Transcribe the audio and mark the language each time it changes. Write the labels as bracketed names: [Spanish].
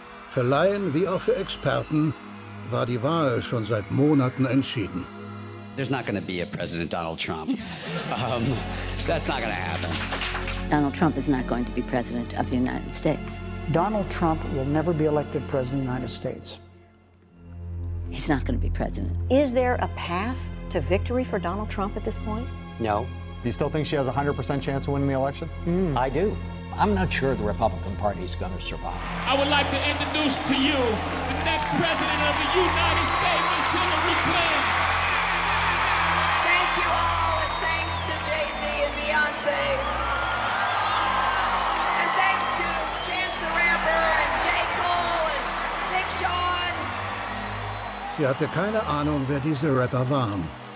[German] Für Laien wie auch für Experten war die Wahl schon seit Monaten entschieden. [English] There's not going to be a President Donald Trump. That's not going to happen. Donald Trump is not going to be President of the United States. Donald Trump will never be elected President of the United States. He's not going to be President. Is there a path to victory for Donald Trump at this point? No. Do you still think she has a 100% chance of winning the election? I do. I'm not sure the Republican Party is going to survive. I would like to introduce to you the next president of the United States, Mr. Hillary Clinton. Thank you all, and thanks to Jay-Z and Beyonce. And thanks to Chance the Rapper and J. Cole and Big Sean. [German] Sie hatte keine Ahnung, wer diese Rapper waren.